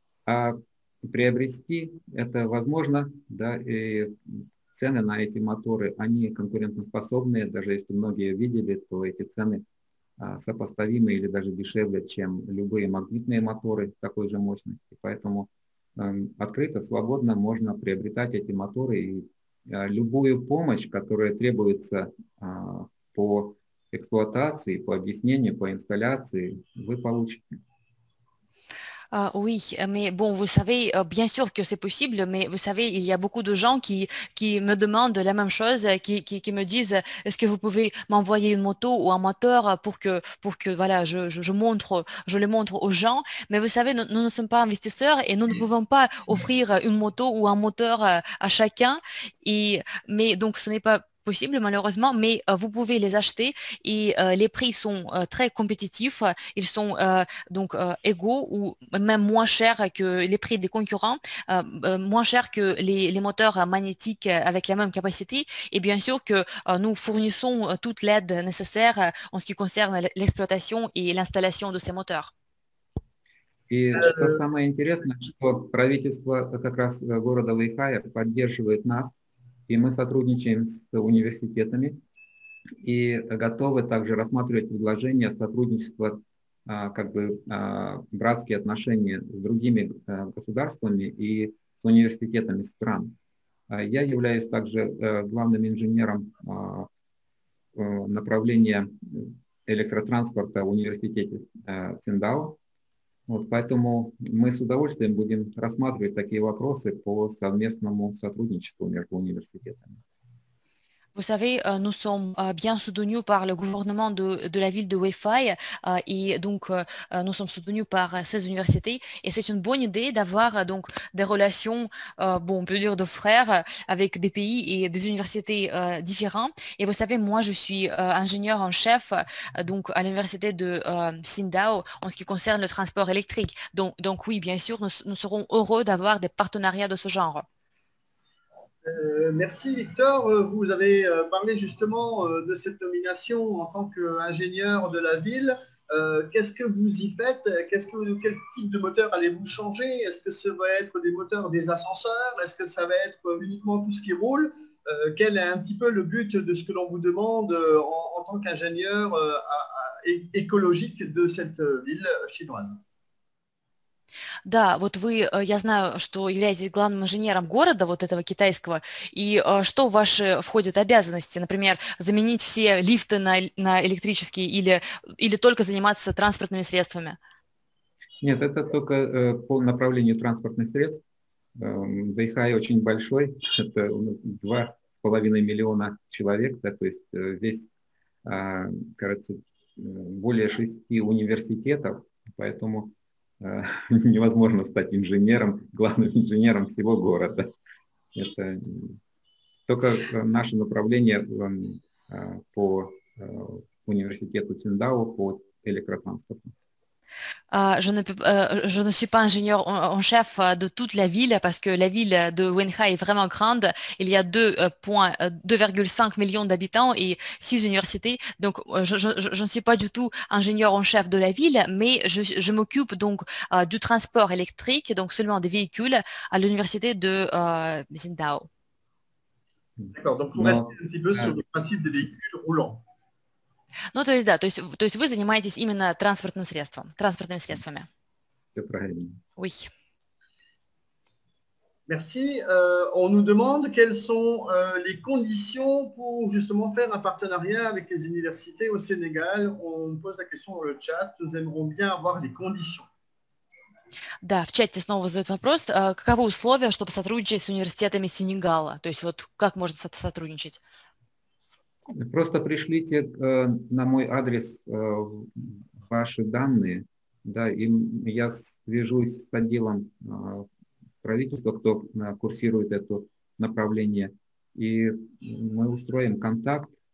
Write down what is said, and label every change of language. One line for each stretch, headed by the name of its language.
Russian: А приобрести это возможно, да, и цены на эти моторы, они конкурентоспособные, даже если многие видели, то эти цены сопоставимы или даже дешевле, чем любые магнитные моторы такой же мощности. Поэтому открыто, свободно можно приобретать эти моторы. И любую помощь, которая требуется по эксплуатации, по объяснению, по инсталляции, вы получите.
French: Oui, mais bon, vous savez, bien sûr que c'est possible, mais vous savez, il y a beaucoup de gens qui me demandent la même chose, qui me disent, est-ce que vous pouvez m'envoyer une moto ou un moteur pour que voilà, je le montre aux gens. Mais vous savez, nous ne sommes pas investisseurs et nous ne pouvons pas offrir une moto ou un moteur à chacun. Mais donc, ce n'est pas possible malheureusement, mais vous pouvez les acheter et les prix sont très compétitifs, ils sont donc égaux ou même moins chers que les prix des concurrents, moins chers que les moteurs magnétiques avec la même capacité. Et bien sûr que nous fournissons toute l'aide nécessaire en ce qui concerne l'exploitation et l'installation de ces moteurs.
Russian: И что самое интересное, что правительство как раз города Лэйхая поддерживает нас. И мы сотрудничаем с университетами и готовы также рассматривать предложения сотрудничества как бы братские отношения с другими государствами и с университетами стран. Я являюсь также главным инженером направления электротранспорта в университете Циндао. Вот, поэтому мы с удовольствием будем рассматривать такие вопросы по совместному сотрудничеству между университетами.
French: Vous savez, nous sommes bien soutenus par le gouvernement de la ville de Weifei et donc nous sommes soutenus par ces universités et c'est une bonne idée d'avoir donc des relations, bon, on peut dire de frères avec des pays et des universités différents. Et vous savez, moi je suis ingénieur en chef donc à l'université de Tsingtao en ce qui concerne le transport électrique. Donc oui, bien sûr, nous serons heureux d'avoir des partenariats de ce genre. Merci Victor, vous avez parlé justement de cette nomination en tant qu'ingénieur de la ville. Qu'est-ce que vous y faites? Quel type de moteur allez-vous changer? Est-ce que ça va être des moteurs des ascenseurs? Est-ce que ça va être uniquement tout ce qui roule? Quel est un petit peu le but de ce que l'on vous demande en tant qu'ingénieur écologique de cette ville chinoise?
Russian: Да, вот вы, я знаю, что являетесь главным инженером города, вот этого китайского, и что в ваши входят обязанности, например, заменить все лифты на электрические или только заниматься транспортными средствами? Нет, это только по направлению транспортных средств. Вэйхай очень большой, это 2,5 миллиона человек, да, то есть здесь, кажется, более 6 университетов, поэтому невозможно стать инженером, главным инженером всего города. Это только наше направление по университету Циндао по электротранспорту.
French: Je ne suis pas ingénieur en chef de toute la ville parce que la ville de Wenhai est vraiment grande. Il y a 2,5 millions d'habitants et 6 universités. Donc, je ne suis pas du tout ingénieur en chef de la ville, mais je m'occupe donc du transport électrique, donc seulement des véhicules, à l'université de Tsingtao. D'accord, donc on reste un petit peu sur le principe des véhicules roulants.
Russian: Ну, то есть, да, то есть вы занимаетесь именно транспортными средствами. Все правильно.
French: Oui. Merci. On nous demande quelles sont les conditions pour justement faire un partenariat avec les universités au Sénégal. On pose la question dans le chat. Nous aimerons bien avoir les conditions.
Russian: Да, в чате снова задают вопрос. Каковы условия, чтобы сотрудничать с университетами Сенегала? То есть, вот как можно сотрудничать? Просто пришлите на мой адрес ваши данные, да, и я свяжусь с отделом правительства, кто курсирует это направление, и мы устроим контакт.